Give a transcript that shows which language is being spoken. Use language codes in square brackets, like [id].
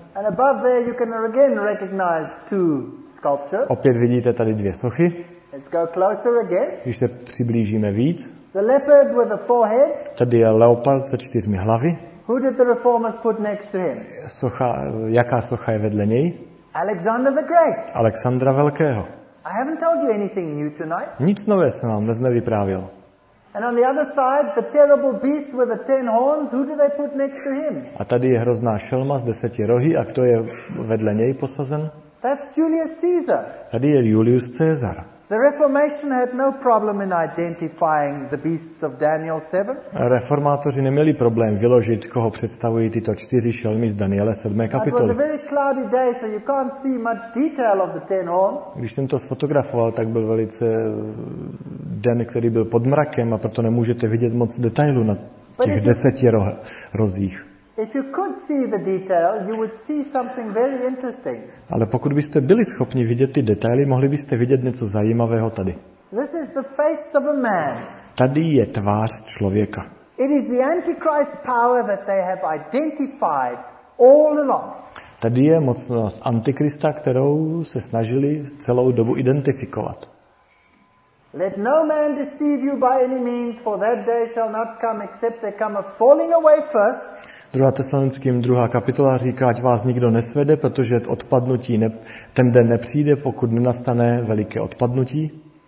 [en] And above there you can again recognize two sculptures. [cs] Opět vidíte tady dvě sochy. [en] Let's go closer again. [cs] Když se přiblížíme víc. [en] The leopard with the four heads. [cs] Tady je leopard se čtyřmi hlavy. [en] Who did the reformers put next to him? [cs] Socha, jaká socha je vedle něj? [en] Alexander the Great. [cs] Alexandra Velkého. [en] I haven't told you anything new tonight. [cs] Nic nové jsem vám dnes nevyprávěl. [en] And on the other side, the terrible beast with the 10 horns. Who did they put next to him? [cs] A tady je hrozná šelma s 10 rohy, a kdo je vedle něj posazen? [en] That's Julius Caesar. [cs] Tady je Julius Caesar. [en] The Reformation had no problem in identifying the beasts of Daniel 7. [cs] Reformátoři neměli problém vyložit, koho představují tyto čtyři šelmy z Daniele 7. kapitoly. [en] It was a very cloudy day, so you can't see much detail of the 10 horns. [cs] Když jsem to sfotografoval, tak byl velice den, který byl pod mrakem, a proto nemůžete vidět moc detailů na těch 10 rozích. [en] If you could see the detail, you would see something very interesting. [cs] Ale pokud byste byli schopni vidět ty detaily, mohli byste vidět něco zajímavého tady. [en] This is the face of a man. [cs] Tady je tvář člověka. [en] It is the Antichrist power that they have identified all along. [cs] Tady je mocnost Antikrista, kterou se snažili celou dobu identifikovat. [en] Let no man deceive you by any means, for that day shall not come except there come a falling away first. [cs] Druhá Tesalonickým, druhá kapitola říká, ať vás nikdo nesvede, protože odpadnutí ten den nepřijde, pokud nenastane veliké odpadnutí.